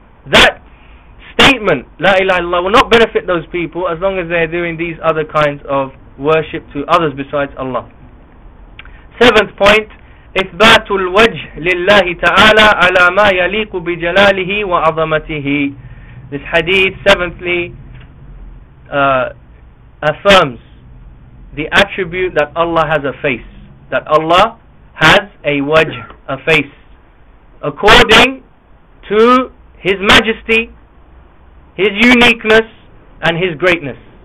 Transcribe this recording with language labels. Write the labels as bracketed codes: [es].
[en] That statement, La ilaha illallah, will not benefit those people as long as they are doing these other kinds of worship to others besides Allah. Seventh point, [ar] إثبات الوجه لله تعالى على ما يليق بجلاله وعظمته. [en] This hadith seventhly affirms the attribute that Allah has a face, that Allah has a wajh, a face, according to His majesty, His uniqueness and His greatness.